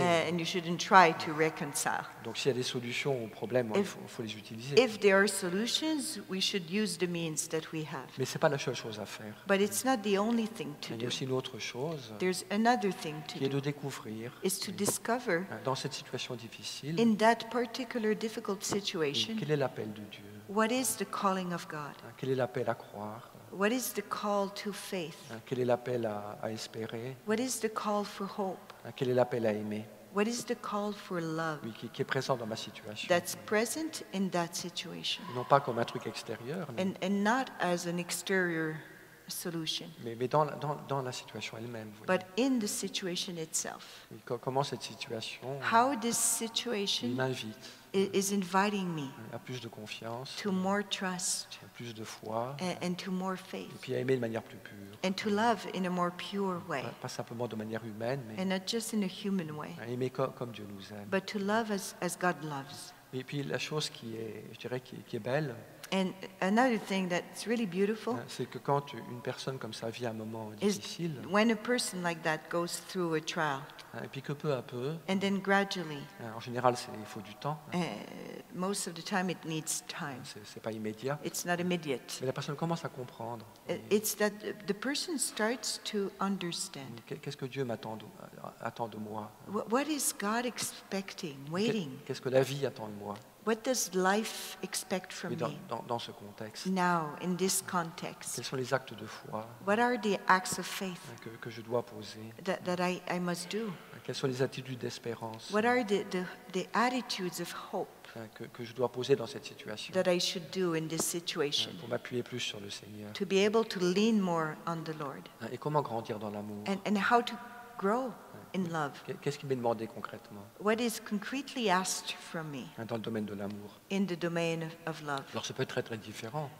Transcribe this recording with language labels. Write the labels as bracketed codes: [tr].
[en] And you shouldn't try to reconcile. [fr] Donc, s'il y a des solutions aux problèmes, il faut les utiliser. [en] If there are solutions, we should use the means that we have. [fr] Mais c'est pas la seule chose à faire. [en] But it's not the only thing to do. [fr] Il y a aussi une autre chose. [en] There's another thing to do. [fr] Qui est de découvrir. [en] Is to discover. [fr] Dans cette situation difficile. [en] In that particular difficult situation. [fr] Quel est l'appel de Dieu? [en] What is the calling of God? [fr] Quel est l'appel à croire? [en] What is the call to faith? [fr] Quel est l'appel à espérer? [en] What is the call for hope? [fr] Quel est l'appel à aimer? [en] What is the call for love? [fr] Oui, qui est présent dans ma situation. [en] That's present in that situation. [fr] Non pas comme un truc extérieur, mais [en] and not as an exterior solution. [fr] Mais dans la situation elle-même. Oui. [en] But in the situation itself. [fr] Comment cette situation? [en] How this situation [fr] m'invite. [en] Is inviting me [fr] à plus de confiance, [en] to more trust, [fr] à plus de foi, [en] and to more faith, [fr] et puis à aimer de manière plus pure, [en] and to love in a more pure way, [fr] pas simplement de manière humaine, mais [en] and not just in a human way, [fr] à aimer comme Dieu nous aime, [en] but to love as God loves. [fr] Et puis la chose qui est, je dirais, qui est belle, [en] and another thing that's really beautiful, [fr] c'est que quand une personne comme ça vit un moment difficile, [en] when a person like that goes through a trial, [fr] et puis que peu à peu, [en] and then gradually, [fr] en général, il faut du temps. [en] Most of the time, it needs time. [fr] C'est pas immédiat. [en] It's not immediate. [fr] Mais la personne commence à comprendre. [en] It's that the person starts to understand. [fr] Qu'est-ce que Dieu attend de moi? [en] What is God expecting, waiting? [fr] Qu'est-ce que la vie attend de moi? [en] What does life expect from me? [fr] Dans ce contexte. [en] Now, in this context. [fr] Quels sont les actes de foi? [en] What are the acts of faith? [fr] Que je dois poser. [en] That I must do. [fr] Quelles sont les attitudes d'espérance? [en] What are the attitudes of hope? [fr] Que je dois poser dans cette situation. [en] That I should do in this situation. [fr] Pour m'appuyer plus sur le Seigneur. [en] To be able to lean more on the Lord. [fr] Et comment grandir dans l'amour? [en] And how to grow. In love. [fr] Qu'est-ce qui m'est demandé concrètement? [en] What is concretely asked from me? [fr] Dans le domaine de l'amour. [en] In the domain of love. [fr] Alors, ça peut être très très différent.